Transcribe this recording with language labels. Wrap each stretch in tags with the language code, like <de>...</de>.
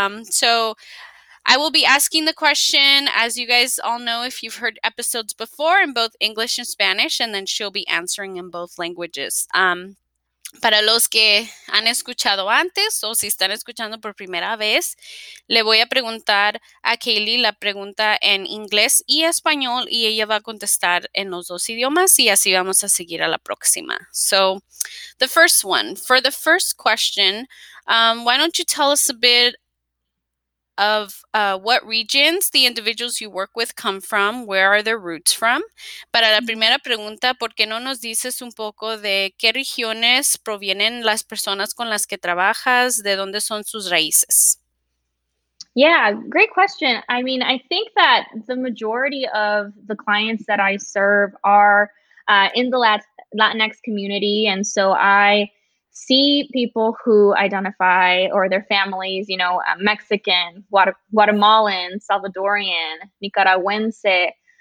<en>So I will be asking the question, as you guys all know, if you've heard episodes before, in both English and Spanish, and then she'll be answering in both languages.</en> <es>Para los que han escuchado antes o si están escuchando por primera vez, le voy a preguntar a Kaylee la pregunta en inglés y español y ella va a contestar en los dos idiomas y así vamos a seguir a la próxima. So, the first one.</es> <en>For the first question, why don't you tell us a bit of what regions the individuals you work with come from, where are their roots from?</en> <es>Para la primera pregunta, ¿por qué no nos dices un poco de qué regiones provienen las personas con las que trabajas, de dónde son sus raíces?</es> <en>Yeah, great question. I mean, I think that the majority of the clients that I serve are in the Latinx community, and so I see people who identify or their families, you know, Mexican, Guatemalan, Salvadorian, Nicaragüense.</en>